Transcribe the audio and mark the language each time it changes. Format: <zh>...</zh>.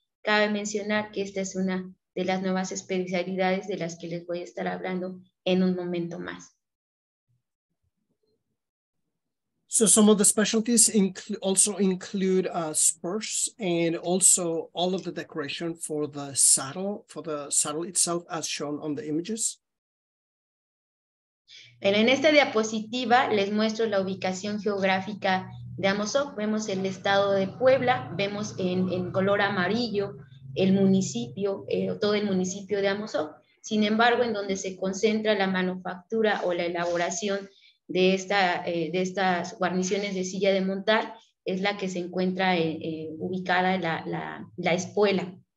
<es>Cabe mencionar que esta es una de las nuevas especialidades de las que les voy a estar hablando en un momento más.</es> <en>So some of the specialties also include spurs, and also all of the decoration for the saddle itself, as shown on the images.</en> <es>Pero en esta diapositiva les muestro la ubicación geográfica de Amozoc. Vemos el estado de Puebla, vemos en color amarillo el municipio, todo el municipio de Amozoc. Sin embargo, en donde se concentra la manufactura o la elaboración de estas guarniciones de silla de montar es la que se encuentra ubicada en la espuela.</es>